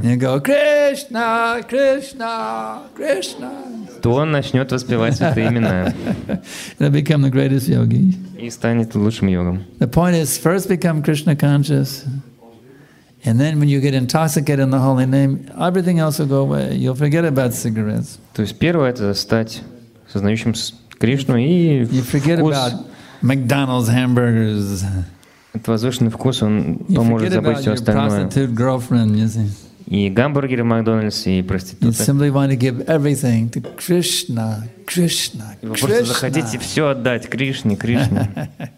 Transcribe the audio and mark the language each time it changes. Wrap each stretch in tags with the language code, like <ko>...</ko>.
<en>go, Krishna, Krishna, Krishna,</en> <ru>то он начнет воспевать это имя.</ru> <en>He'll become the greatest yogi.</en> <ru>И станет лучшим йогом.</ru> <en>The point is, first become Krishna conscious, and then when you get intoxicated in the holy name, everything else will go away. You'll forget about cigarettes.</en> <ru>То есть первое это стать сознающим Кришну и</ru> <en>you forget</en> <ru>вкус</ru> <en>about McDonald's hamburgers.</en> <ru>Этот возвышенный вкус он поможет забыть все остальное.</ru> <en>You forget about your prostitute girlfriend, you see.</en> <ru>И гамбургеры в Макдональдсе, и проститутки.</ru> <en>You simply want to give everything to Krishna, Krishna, Krishna.</en> <ru>Вы просто захотите все отдать Кришне, Кришне.</ru>